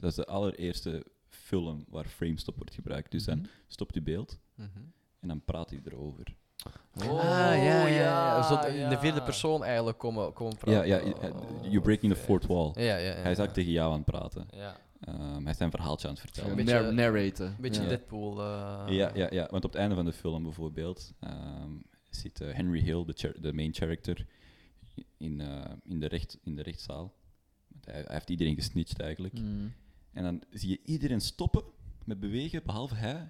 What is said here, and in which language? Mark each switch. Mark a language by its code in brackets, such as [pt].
[nl] Dat is de allereerste film waar frame stop wordt gebruikt. Dus dan stopt je beeld en dan praat hij erover. In de vierde persoon eigenlijk komen praten. [en] Ja, ja, you're breaking the fourth wall. [nl] Hij is eigenlijk tegen jou aan het praten. Hij is zijn verhaaltje aan het vertellen. Een beetje narraten. Een beetje Deadpool. Ja, want op het einde van de film bijvoorbeeld zit Henry Hill, de main character, in de rechtszaal. Hij heeft iedereen gesnitcht eigenlijk. Mm. En dan zie je iedereen stoppen met bewegen, behalve hij.